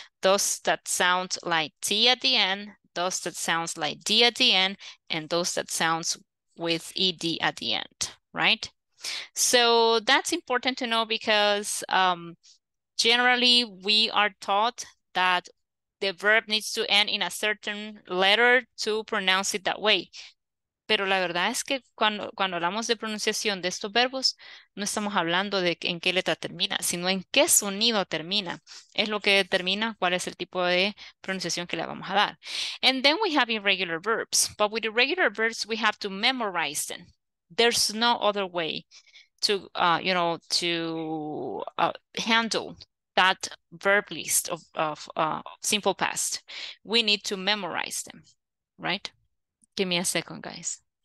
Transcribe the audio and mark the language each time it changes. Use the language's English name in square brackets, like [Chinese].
[English] Those that sound like t at the end, those that sounds like d at the end, and those that sounds with ed at the end, right? So that's important to know because generally we are taught that the verb needs to end in a certain letter to pronounce it that way. [Spanish] Pero la verdad es que cuando hablamos de pronunciación de estos verbos, no estamos hablando de en qué letra termina, sino en qué sonido termina. Es lo que determina cuál es el tipo de pronunciación que le vamos a dar. [English] And then we have irregular verbs. But with irregular verbs, we have to memorize them. There's no other way to, you know, to handle that verb list of simple past. We need to memorize them, right? Give me a second, guys.